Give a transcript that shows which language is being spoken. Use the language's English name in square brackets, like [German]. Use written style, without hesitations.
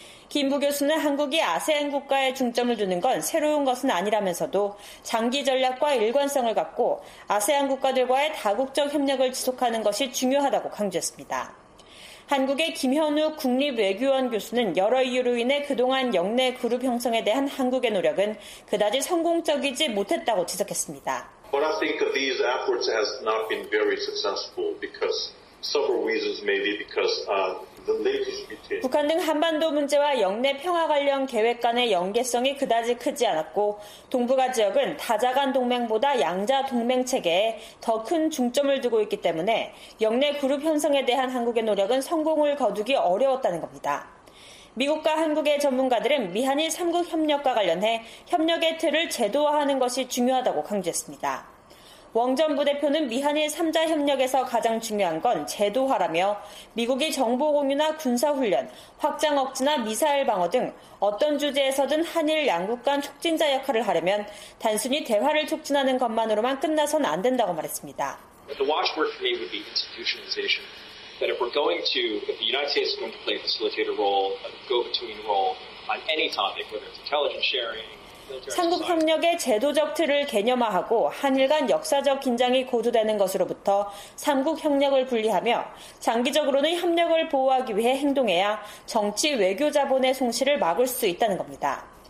[Korean] 김부 교수는 한국이 아세안 국가에 중점을 두는 건 새로운 것은 아니라면서도 장기 전략과 일관성을 갖고 아세안 국가들과의 다국적 협력을 지속하는 것이 중요하다고 강조했습니다. 한국의 김현우 국립외교원 교수는 여러 이유로 인해 그동안 역내 그룹 형성에 대한 한국의 노력은 그다지 성공적이지 못했다고 지적했습니다. [English] But I think these efforts have not been very successful because several reasons, maybe because The [Korean] 북한 등 한반도 문제와 역내 평화 관련 계획 간의 연계성이 그다지 크지 않았고 동북아 지역은 다자간 동맹보다 양자 동맹 체계에 더 큰 중점을 두고 있기 때문에 역내 그룹 형성에 대한 한국의 노력은 성공을 거두기 어려웠다는 겁니다. 미국과 한국의 전문가들은 미한일 3국 협력과 관련해 협력의 틀을 제도화하는 것이 중요하다고 강조했습니다. 웡 전 부대표는 미한일 3자 협력에서 가장 중요한 건 제도화라며 미국이 정보 공유나 군사훈련, 확장 억지나 미사일 방어 등 어떤 주제에서든 한일 양국 간 촉진자 역할을 하려면 단순히 대화를 촉진하는 것만으로만 끝나선 안 된다고 말했습니다. [English] The watchword for me would be institutionalization. That if we're going to, if the United States is going to play a facilitator role, a go-between role, on any topic, whether it's intelligence sharing. [Korean] 삼국 협력의 제도적 틀을 개념화하고 한일 간 역사적 긴장이 고조되는 것으로부터 삼국 협력을 분리하며 장기적으로는 협력을 보호하기 위해 행동해야 정치 외교 자본의 송실을 막을 수 있다는 겁니다.